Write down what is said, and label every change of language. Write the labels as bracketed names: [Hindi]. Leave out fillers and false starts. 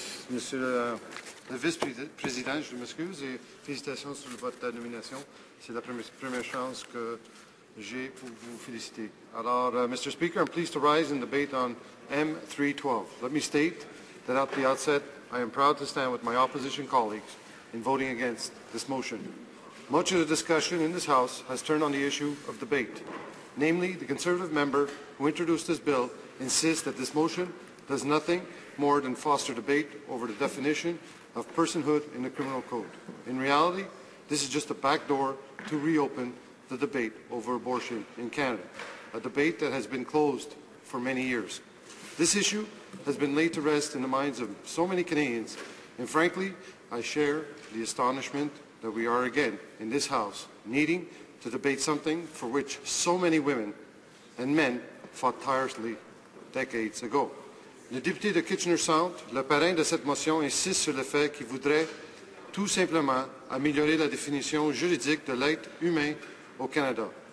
[French] Monsieur le Vice-président, je m'excuse et félicitations sur votre nomination. C'est la première chance que j'ai pour vous féliciter. Alors, Mr. [English] Speaker, I'm pleased to rise in debate on M-312. Let me state that at the outset, I am proud to stand with my opposition colleagues in voting against this motion. Much of the discussion in this House has turned on the issue of debate. Namely, the Conservative member who introduced this bill insists that this motion does nothing more than foster debate over the definition of personhood in the criminal code. In reality, this is just a backdoor to reopen the debate over abortion in Canada, a debate that has been closed for many years. This issue has been laid to rest in the minds of so many Canadians, and frankly, I share the astonishment that we are again in this House needing to debate something for which so many women and men fought tirelessly decades ago. [French] Le député de Kitchener-Sound, le parrain de cette motion, insiste sur le fait qu'il voudrait tout simplement améliorer la définition juridique de l'être humain au Canada.